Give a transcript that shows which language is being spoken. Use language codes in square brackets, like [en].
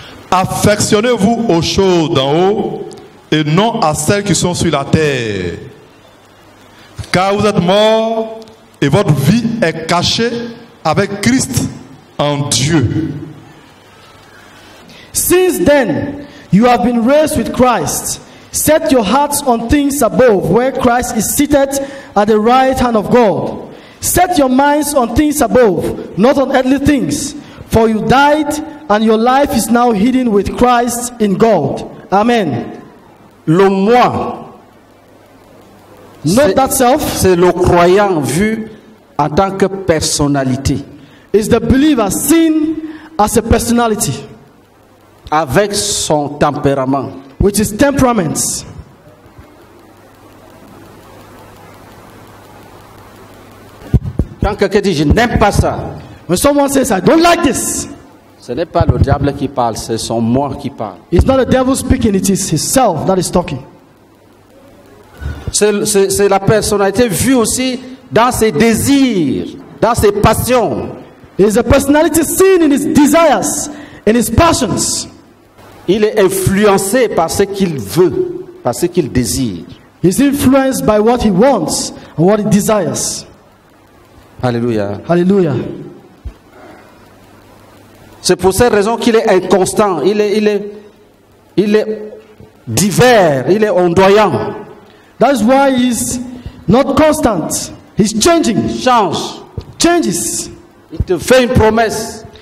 [fr] Affectionnez-vous aux choses d'en haut et non à celles qui sont sur la terre. Car vous êtes mort et votre vie est cachée avec Christ en Dieu. [en] Since then, you have been raised with Christ. Set your hearts on things above, where Christ is seated at the right hand of God. Set your minds on things above, not on earthly things. For you died, and your life is now hidden with Christ in God. Amen. [fr] Le moi. [en] Note that self. [fr] C'est le croyant vu en tant que personnalité. [en] Is the believer seen as a personality? [fr] Avec son tempérament. [en] Which is temperaments. [fr] Quand quelqu'un dit je n'aime pas ça. [en] When someone says I don't like this. [fr] Ce n'est pas le diable qui parle, c'est son moi qui parle. [en] It's not the devil speaking, it is his self that is talking. [fr] C'est la personnalité vue aussi dans ses désirs, dans ses passions. [en] It's the personality seen in his desires, in his passions. [fr] Il est influencé par ce qu'il veut, par ce qu'il désire. [en] He's influenced by what he wants and what he desires. [fr] Alléluia. Alléluia. C'est pour cette raison qu'il est inconstant, il est divers, il est ondoyant. [en] That's why he's not constant. He's changing. Change. Changes. [fr] Il te fait une promesse.